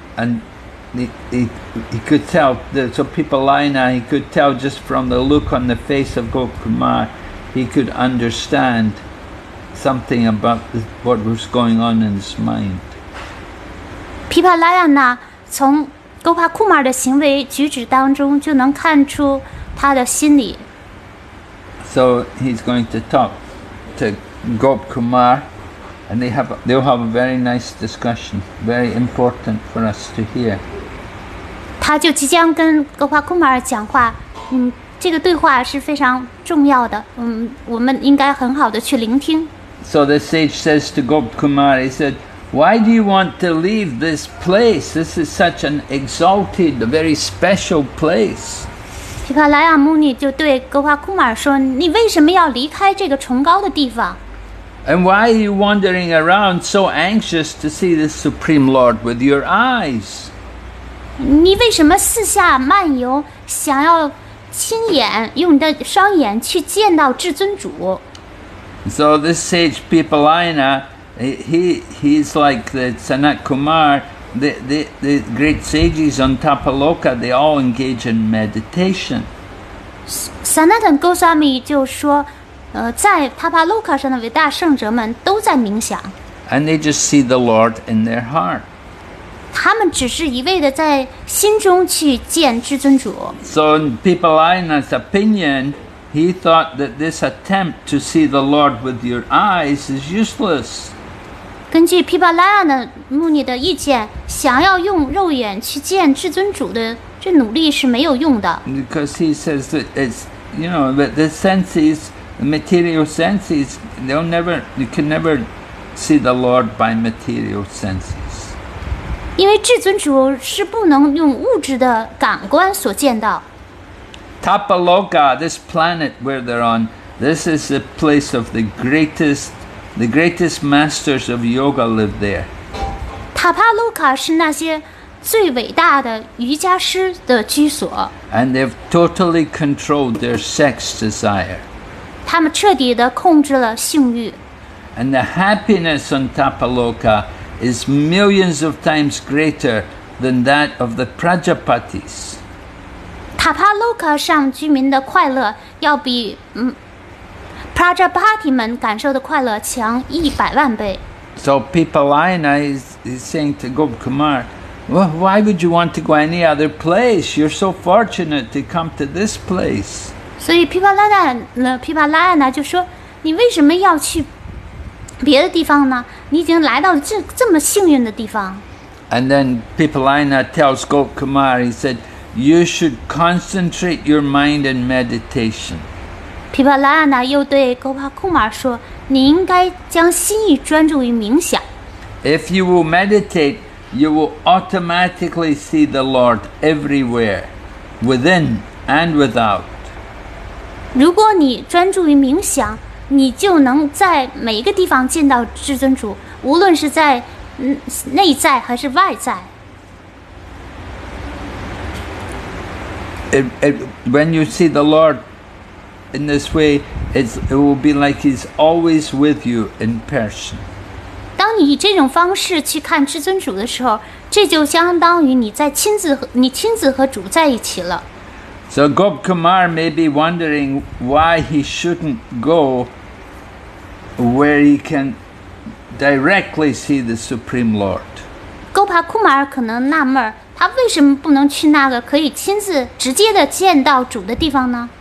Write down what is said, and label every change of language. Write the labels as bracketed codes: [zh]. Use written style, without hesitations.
[en] And he could tell that, so Pipalayana, he could tell just from the look on the face of Gop Kumar, he could understand something about what was going on in his mind. [zh] 琵琶拉亚纳从勾帕库马的行为举止当中就能看出他的心理。 [en] So he's going to talk to Gop Kumar, and they'll have a very nice discussion, very important for us to hear. [zh] 他就即将跟勾帕库马讲话，这个对话是非常重要的，我们应该很好的去聆听。 [en] So the sage says to Gop Kumar, he said,Why do you want to leave this place? This is such an exalted, very special place. [zh] Pipalaya Muni 就对 Gopal Kumar 说，你为什么要离开这个崇高的地方？ [en] And why are you wandering around so anxious to see the Supreme Lord with your eyes? [zh] 你为什么四下漫游，想要亲眼用你的双眼去见到至尊主？ [en] So this sage Pipalayana,He's like the Sanat Kumar, the great sages on Tapaloka, they all engage in meditation. [zh] Sanat Goswami 就说，在 Tapaloka 上的伟大圣者们都在冥想。 [en] And they just see the Lord in their heart. [zh] 他们只是一味的在心中去见至尊主。 [en] So in Pipalayana's opinion, he thought that this attempt to see the Lord with your eyes is useless. [zh] 根据皮巴拉亚的穆尼的意见，想要用肉眼去见至尊主的这努力是没有用的。 [en] Because he says that it's, you know, that the senses, the material senses, you can never see the Lord by material senses. [zh] 因为至尊主是不能用物质的感官所见到。 [en] Tapaloka, this planet where they're on, this is a place of the greatest The greatest masters of yoga lived there. [zh] Tapaloka 是那些最伟大的瑜伽师的居所。 [en] And they've totally controlled their sex desire. [zh] 他们彻底地控制了性欲。 [en] And the happiness on Tapaloka is millions of times greater than that of the Prajapatis. [zh] Tapaloka 上居民的快乐要比Prajapati 们感受的快乐强100万倍。 [en] So Pipalayana is saying to Gop Kumar, well, why would you want to go any other place? You're so fortunate to come to this place. [zh] 所以 Pipalayana 就说，你为什么要去别的地方呢？你已经来到这么幸运的地方。 [en] And then Pipalayana tells Gop Kumar, he said, you should concentrate your mind in meditation. [zh] 皮帕拉亚纳又对戈帕库马说：“你应该将心意专注于冥想。” [en] If you will meditate, you will automatically see the Lord everywhere, within and without. [zh] 如果你专注于冥想，你就能在每一个地方见到至尊主，无论是在内在还是外在。 [en] When you see the Lord. In this way, it will be like he's always with you in person. [zh] 当你以这种方式去看至尊主的时候，这就相当于你亲自和主在一起了。 [en] So Gop Kumar may be wondering why he shouldn't go where he can directly see the Supreme Lord. [zh] Gopa Kumar 可能纳闷，他为什么不能去那个可以亲自直接的见到主的地方呢？